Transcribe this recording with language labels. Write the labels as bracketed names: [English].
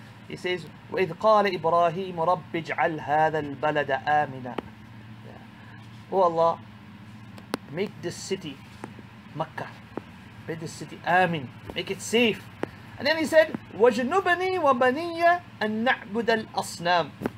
[English] He says, [Arabic] وَإِذْ قَالَ إِبْرَاهِيمُ رَبِّ اجْعَلْ هَذَا الْبَلَدَ آمِنًا. [English] Oh Allah, make this city, Mecca, make this city amin, make it safe. And then he said, [Arabic] وَجْنُبَنِي وَبَنِيَّ أَن نَعْبُدَ الْأَصْنَامِ.